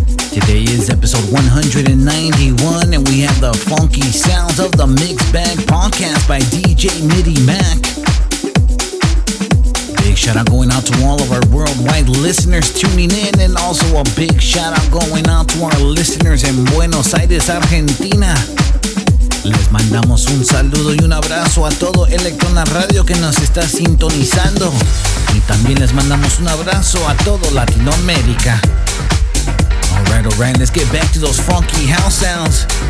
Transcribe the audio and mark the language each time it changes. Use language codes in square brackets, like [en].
[en] Today is episode 191, and we have the funky sounds of the Mixbag podcast by DJ Midimack. Big shout out going out to all of our worldwide listeners tuning in, and also a big shout out going out to our listeners in Buenos Aires, Argentina. [es] Les mandamos un saludo y un abrazo a todo Electrona Radio que nos está sintonizando. Y también les mandamos un abrazo a todo Latinoamérica. [en] Alright, alright, let's get back to those funky house sounds.